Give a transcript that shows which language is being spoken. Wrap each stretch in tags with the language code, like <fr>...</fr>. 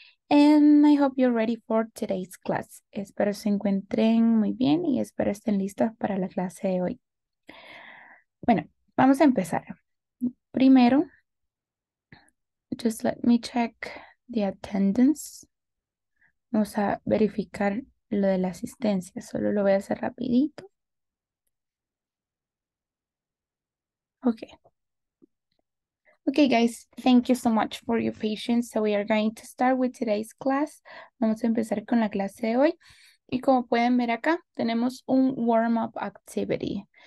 <en>And I hope you're ready for today's class.</en> <es>Espero se encuentren muy bien y espero estén listos para la clase de hoy. Bueno, vamos a empezar. Primero,</es> <en>just let me check the attendance.</en> <es>Vamos a verificar lo de la asistencia. Solo lo voy a hacer rapidito.</es> <en>Okay. Okay, guys, thank you so much for your patience. So we are going to start with today's class.</en> <es>Vamos a empezar con la clase de hoy. Y como pueden ver acá, tenemos un warm-up activity.</es>